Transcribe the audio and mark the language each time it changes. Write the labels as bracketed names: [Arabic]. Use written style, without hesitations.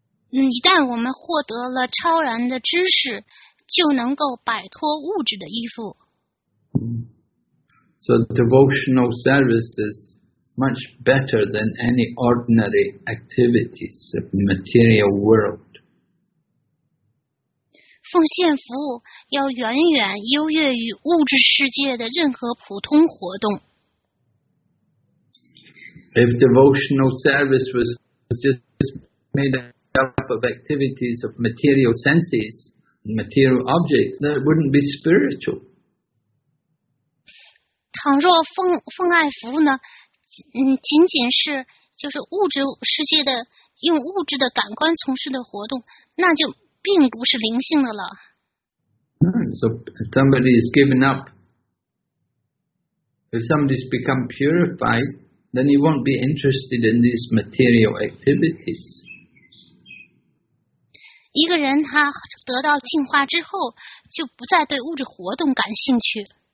[Chinese] 一旦我们获得了超然的知识，就能够摆脱物质的依附。 [English] So devotional service is much better than any ordinary activities of the material world. [Chinese] 奉献服务要远远优越于物质世界的任何普通活动。 [English] If devotional service was just made up of activities of material senses, material objects, that wouldn't be spiritual. [Chinese] 倘若奉爱服务呢，仅仅是就是物质世界的用物质的感官从事的活动，那就。并不是灵性的了。 [English] So somebody is given up. If somebody's become purified, then he won't be interested in these material activities. [Chinese] 一个人他得到净化之后，就不再对物质活动感兴趣。